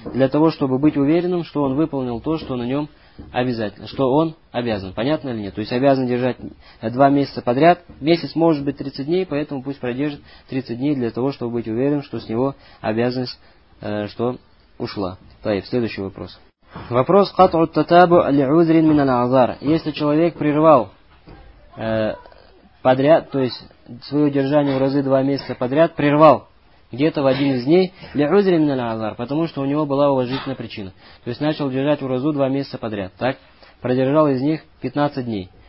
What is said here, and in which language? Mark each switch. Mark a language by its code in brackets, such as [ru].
[ru] Для того, чтобы быть уверенным, что он выполнил то, что на нем обязательно, что он обязан. Понятно или нет? То есть обязан держать 2 месяца подряд. Месяц может быть 30 дней, поэтому пусть продержит 30 дней для того, чтобы быть уверенным, что с него обязанность, что ушла. Таиф, следующий вопрос. Вопрос [ar] قطعوا التتابع لعذر من الاعذار. [ru] Если человек прервал подряд, то есть свое держание в разы 2 месяца подряд, прервал где-то в один из дней, [ar] لعذر من الاعذار, [ru] потому что у него была уважительная причина. То есть начал держать в разу 2 месяца подряд, так? Продержал из них 15 дней.